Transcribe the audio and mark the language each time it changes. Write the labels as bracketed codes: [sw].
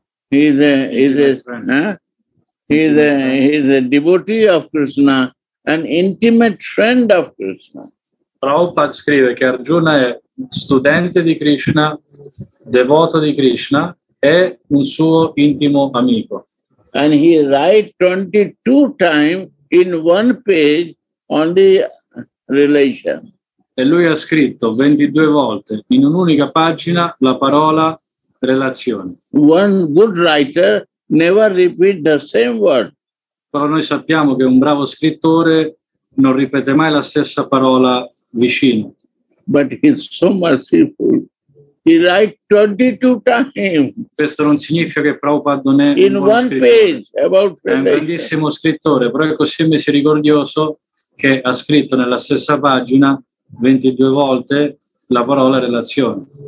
[en] He is a devotee of Krishna, an intimate friend of Krishna. [it] Prabhupada scrive che Arjuna è studente di Krishna, devoto di Krishna, è un suo intimo amico. [en] And he write 22 times in one page on the relation. [it] E lui ha scritto 22 volte in un'unica pagina la parola relazione. [en] One good writer never repeat the same word. [it] Però noi sappiamo che un bravo scrittore non ripete mai la stessa parola vicino. [en] But he's so merciful. He write 22 times. [it] Questo non significa che Prabhupada non è [en] in one page about [it] è un grandissimo scrittore, però è così misericordioso che ha scritto nella stessa pagina 22 volte la parola relazione.